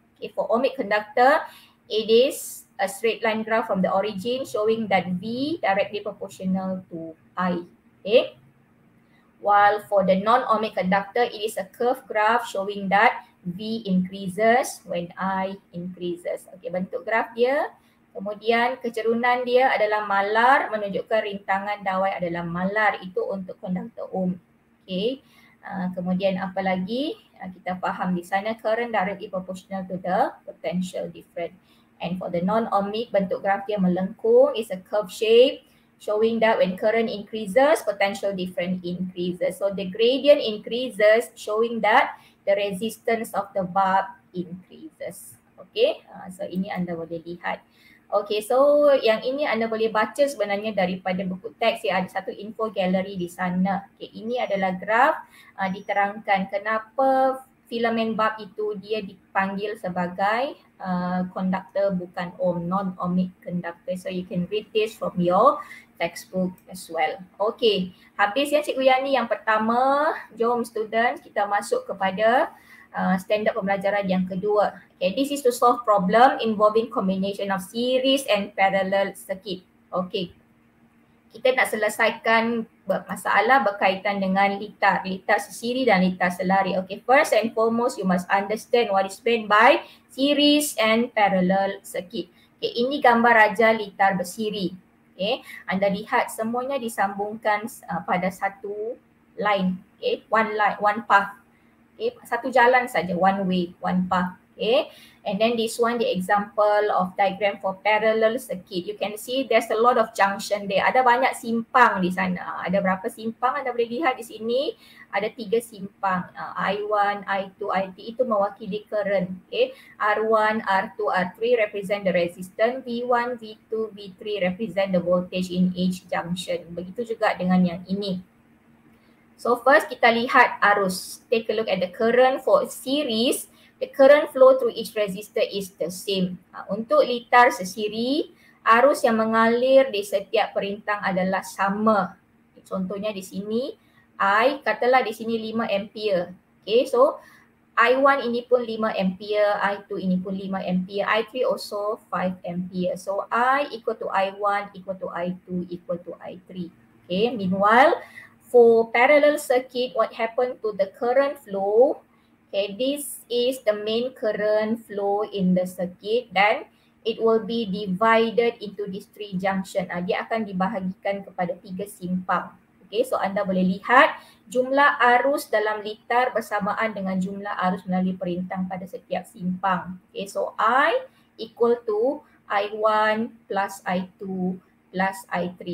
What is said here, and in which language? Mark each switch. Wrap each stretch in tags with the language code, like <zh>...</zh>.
<en>Okay, for ohmic conductor, it is a straight line graph from the origin showing that V directly proportional to I. Okay, While for the non-ohmic conductor, it is a curved graph showing that V increases when I increases.</en> <ms>Okay, bentuk graf dia. Kemudian kecerunan dia adalah malar, menunjukkan rintangan dawai adalah malar. Itu untuk konduktor ohm. Okay. Kemudian apa lagi? Kita faham di sana</ms> <en>current directly proportional to the potential difference. And for the non-ohmic,</en> <ms>bentuk graf dia melengkung.</ms> <en>It's a curve shape showing that when current increases, potential difference increases. So the gradient increases showing that the resistance of the bulb increases.</en> <ms>Okay, so ini anda boleh lihat. Okay, so yang ini anda boleh baca sebenarnya daripada buku teks. Ya, ada satu info gallery di sana. Okay, ini adalah graf diterangkan kenapa filament bulb itu dia dipanggil sebagai conductor bukan ohm, non-ohmic conductor.</ms> <en>So you can read this from your textbook as well.</en> <ms>Okay, habis ya Cikgu Yani yang pertama. Jom student, kita masuk kepada standard pembelajaran yang kedua.</ms> <en>Okay, this is to solve problem involving combination of series and parallel circuit.</en> <ms>Okay, kita nak selesaikan masalah berkaitan dengan litar, litar sesiri dan litar selari.</ms> <en>Okay, first and foremost, you must understand what is meant by series and parallel circuit.</en> <ms>Okay, ini gambar raja litar bersiri. Okay, anda lihat semuanya disambungkan pada satu line.</ms> <en>Okay, one line, one path. Okay,</en> <ms>satu jalan saja,</ms> <en>one way, one path. Okay, and then this one the example of diagram for parallel circuit. You can see there's a lot of junction there.</en> <ms>Ada banyak simpang di sana. Ada berapa simpang anda boleh lihat di sini? Ada tiga simpang. I1, I2, I3 itu mewakili current.</ms> <en>Okay, R1, R2, R3 represent the resistance. V1, V2, V3 represent the voltage in each junction.</en> <ms>Begitu juga dengan yang ini. So first kita lihat arus.</ms> <en>Take a look at the current for series. The current flow through each resistor is the same.</en> <ms>Untuk litar sesiri, arus yang mengalir di setiap perintang adalah sama. Contohnya di sini, I katalah di sini 5 ampere. Okay, so I1 ini pun 5 ampere, I2 ini pun 5 ampere,</ms> <en>I3 also 5 ampere. So I equal to I1 equal to I2 equal to I3. Okay, meanwhile, for parallel circuit, what happened to the current flow? Okay, this is the main current flow in the circuit. Then it will be divided into these three junction.</en> <ms>Dia akan dibahagikan kepada tiga simpang. Okay, so anda boleh lihat jumlah arus dalam litar bersamaan dengan jumlah arus melalui perintang pada setiap simpang.</ms> <en>Okay, so I equal to I1 plus I2 plus I3.</en>